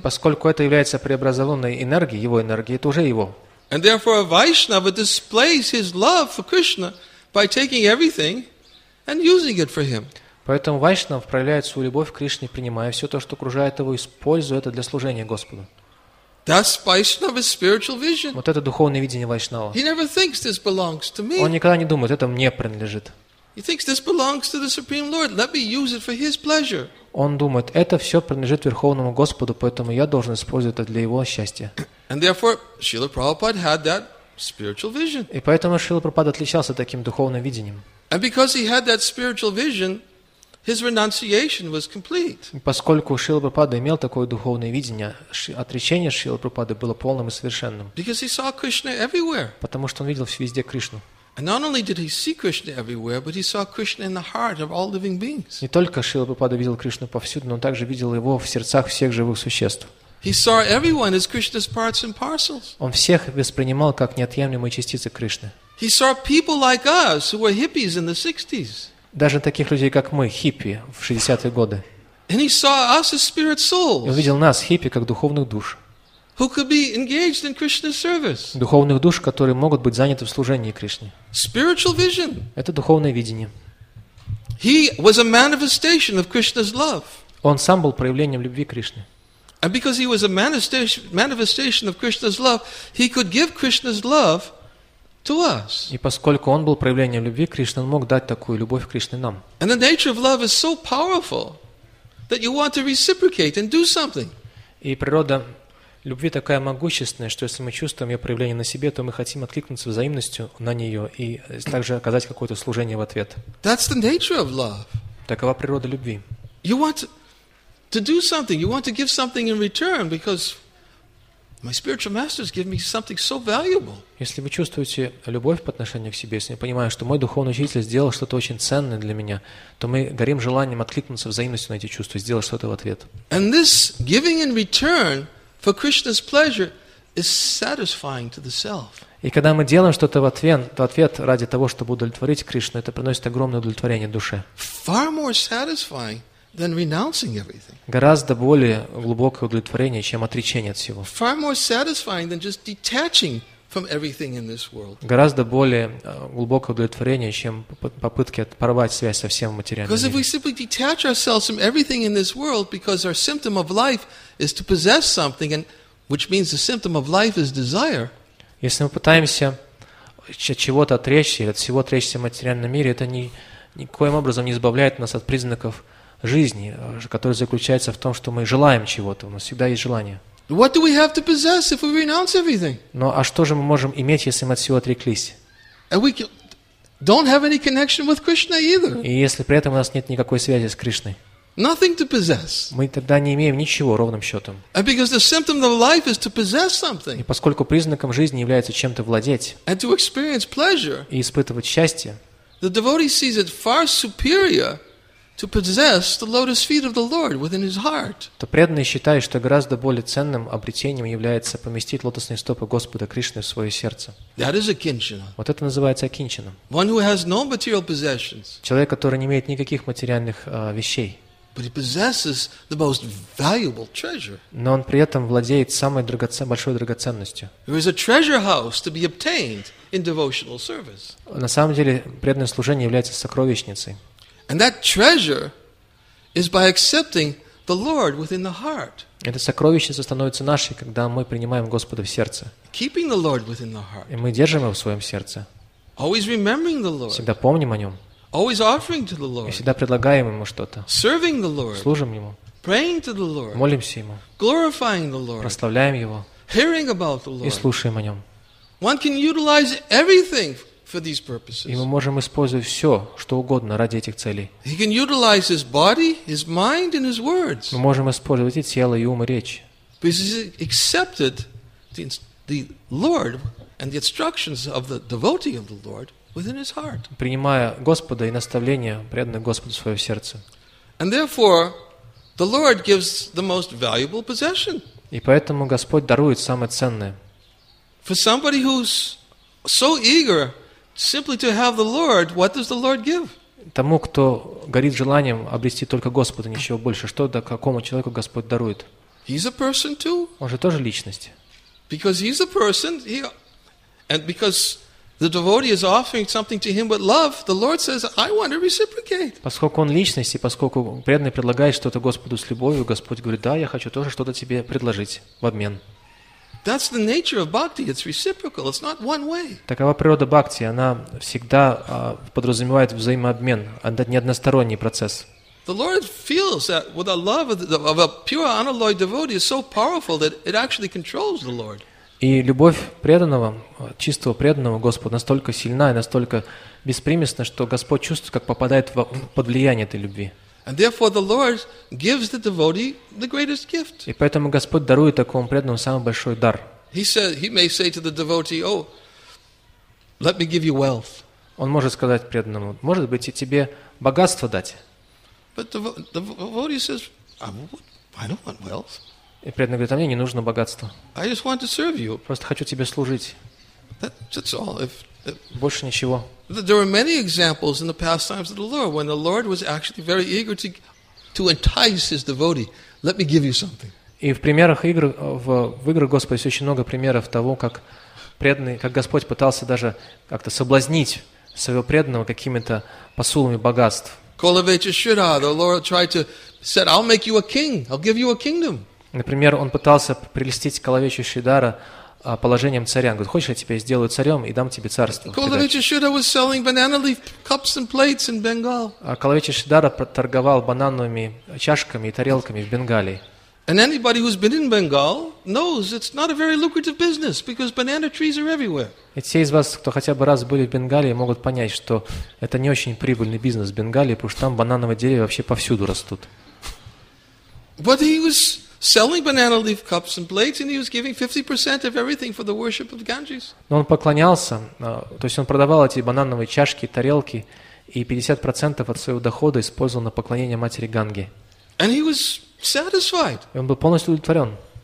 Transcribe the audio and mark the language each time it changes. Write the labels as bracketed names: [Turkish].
[Russian] И поскольку это является преобразованной энергией, его энергией, это уже его. [English] And therefore, a Vaishnava displays his love for Krishna by taking everything and using it for him. [Russian] Поэтому Вайшнав проявляет свою любовь к Кришне, принимая все то, что окружает его, используя это для служения Господу. [English] That's Vaishnava's spiritual vision. [Russian] Вот это духовное видение Вайшнава. [English] He never thinks this belongs to me. [Russian] Он никогда не думает, это мне принадлежит. [English] He thinks this belongs to the Supreme Lord. Let me use it for His pleasure. [Russian] Он думает, это все принадлежит Верховному Господу, поэтому я должен использовать это для Его счастья. [English] And therefore, Srila Prabhupada had that spiritual vision. [Russian] И поэтому Шрила Прабхупада отличался таким духовным видением. [English] And because he had that spiritual vision, his renunciation was complete. [Russian] Поскольку Шрила Прабхупада имел такое духовное видение, отречение Шрилы Прабхупады было полным и совершенным. [English] Because he saw Krishna everywhere. [Russian] Потому что он видел везде Кришну. [English] And not only did he see Krishna everywhere, but he saw Krishna in the heart of all living beings. [Russian] Не только Шрила Прабхупада видел Кришну повсюду, но он также видел его в сердцах всех живых существ. [English] He saw everyone as Krishna's parts and parcels. [Russian] Он всех воспринимал как неотъемлемые частицы Кришны. [English] He saw people like us who were hippies in the 60s. [Russian] Даже таких людей, как мы, хиппи, в 60-е годы. [English] And he saw us as spirit souls. [Russian] И увидел нас, хиппи, как духовных душ. [English] Who could be engaged in Krishna's service? [Russian] Духовных душ, которые могут быть заняты в служении Кришне. [English] Spiritual vision. [Russian] Это духовное видение. [English] He was a manifestation of Krishna's love. [Russian] Он сам был проявлением любви Кришны. [English] And because he was a manifestation of Krishna's love, he could give Krishna's love to us. [Russian] И поскольку он был проявлением любви Кришны, он мог дать такую любовь Кришне нам. [English] And the nature of love is so powerful that you want to reciprocate and do something. [Russian] И природа любви такая могущественная, что если мы чувствуем ее проявление на себе, то мы хотим откликнуться взаимностью на нее и также оказать какое-то служение в ответ. [English] That's the nature of love. [Russian] Такова природа любви. [English] You want to do something. You want to give something in return because my spiritual masters give me something so valuable. [Russian] Если вы чувствуете любовь по отношению к себе, если вы понимаете, что мой духовный учитель сделал что-то очень ценное для меня, то мы горим желанием откликнуться взаимностью на эти чувства, сделать что-то в ответ. [English] And this giving in return for Krishna's pleasure is satisfying to the self. [Russian] И когда мы делаем что-то в ответ, то ответ ради того, чтобы удовлетворить Кришну, это приносит огромное удовлетворение душе. [English] Far more satisfying than renouncing everything. [Russian] Гораздо более глубокое удовлетворение, чем отречение от всего. [English] Far more satisfying than just detaching from everything in this world. [Russian] Гораздо более глубокое удовлетворение, чем попытки порвать связь со всем материальным. [English] Because if we simply detach ourselves from everything in this world, because our symptom of life is to possess something, and which means the symptom of life is desire. [Russian] Если мы пытаемся от чего-то отречься, от всего отречься в материальном мире, это никоим образом не избавляет нас от признаков жизни, которая заключается в том, что мы желаем чего-то. У нас всегда есть желание. [English] What do we have to possess if we renounce everything? [Russian] Но а что же мы можем иметь, если мы от всего отреклись? [English] And we don't have any connection with Krishna either. [Russian] И если при этом у нас нет никакой связи с Кришной. [English] Nothing to possess. [Russian] Мы тогда не имеем ничего ровным счетом. [English] And because the symptom of life is to possess something. [Russian] И поскольку признаком жизни является чем-то владеть. [English] And to experience pleasure. [Russian] И испытывать счастье. [English] The devotee sees it far superior to possess the lotus feet of the Lord within his heart. [Russian] То преданный считает, что гораздо более ценным обретением является поместить лотосные стопы Господа Кришны в свое сердце. [English] That is akinchana. [Russian] Вот это называется акинчана. [English] One who has no material possessions. [Russian] Человек, который не имеет никаких материальных вещей. [English] But he possesses the most valuable treasure. [Russian] Но он при этом владеет самой большой драгоценностью. [English] There is a treasure house to be obtained in devotional service. [Russian] На самом деле преданное служение является сокровищницей. [English] And that treasure is by accepting the Lord within the heart. [Russian] Это сокровище становится нашей, когда мы принимаем Господа в сердце. [English] Keeping the Lord within the heart. [Russian] И мы держим его в своем сердце. [English] Always remembering the Lord. [Russian] Всегда помним о нем. [English] Always offering to the Lord. [Russian] И всегда предлагаем ему что-то. [English] Serving the Lord. [Russian] Служим ему. [English] Praying to the Lord. [Russian] Молимся ему. [English] Glorifying the Lord. [Russian] Прославляем его. [English] Hearing about the Lord. [Russian] И слушаем о нем. [English] One can utilize everything for these purposes. [Russian] И мы можем использовать все, что угодно ради этих целей. [English] He can utilize his body, his mind, and his words. [Russian] Мы можем использовать и тело, и ум, и речь. [English] Because he accepted the Lord and the instructions of the devotee of the Lord within his heart. [Russian] Принимая Господа и наставления преданных Господу в свое сердце. [English] And therefore, the Lord gives the most valuable possession. [Russian] И поэтому Господь дарует самое ценное. [English] For somebody who's so eager simply to have the Lord, what does the Lord give? [Russian] Тому, кто горит желанием обрести только Господа, ничего больше, что да какому человеку Господь дарует? [English] He's a person too. [Russian] Он же тоже личность. [English] Because he's a person, and because the devotee is offering something to him with love, the Lord says, I want to reciprocate. [Russian] Поскольку он личность, и поскольку преданный предлагает что-то Господу с любовью, Господь говорит, да, я хочу тоже что-то тебе предложить в обмен. [English] That's the nature of bhakti. It's reciprocal. It's not one way. [Russian] Такова природа бхакти. Она всегда подразумевает взаимообмен. Это не односторонний процесс. [English] The Lord feels that with the love of a pure unalloyed devotee is so powerful that it actually controls the Lord. [Russian] И любовь преданного, чистого преданного Господу настолько сильна и настолько беспримесна, что Господь чувствует, как попадает под влияние этой любви. [English] And therefore the Lord gives the devotee the greatest gift. [Russian] И поэтому Господь дарует такому преданному самый большой дар. [English] He may say to the devotee, "Oh, let me give you wealth." [Russian] Он может сказать преданному: "Может быть, и тебе богатство дать?" [English] But the devotee says, "I don't want wealth." [Russian] И преданный говорит: "А мне не нужно богатство. [English] I just want to serve you." [Russian] Просто хочу тебе служить. [English] That's all. [Russian] Больше ничего. [English] There are many examples in the past times of the Lord when the Lord was actually very eager to entice his devotee. Let me give you something. [Russian] И в примерах игр в играх Господа есть очень много примеров того, как преданный, как Господь пытался даже как-то соблазнить своего преданного какими-то посулами богатств. [English] Kulavachashura, the Lord tried to said, "I'll make you a king. I'll give you a kingdom." [Russian] Например, он пытался прелестить Калавечу Шридхара положением царя. Он говорит: "Хочешь, я тебя сделаю царем и дам тебе царство?" [English] Калавечу Шридхара was selling banana leaf cups and plates in Bengal. [Russian] Калавечу Шридхара торговал банановыми чашками и тарелками в Бенгалии. [English] And anybody who's been in Bengal knows it's not a very lucrative business because banana trees are everywhere. [Russian] И все из вас, кто хотя бы раз были в Бенгалии, могут понять, что это не очень прибыльный бизнес в Бенгалии, потому что там банановые деревья вообще повсюду растут. [English] But he was selling banana leaf cups and plates, and he was giving 50% of everything for the worship of Ganges. [Russian] Но он поклонялся, то есть он продавал эти банановые чашки, тарелки, и 50% от своего дохода использовал на поклонение матери Ганги. [English] And he was satisfied. [Russian] И он был полностью удовлетворен.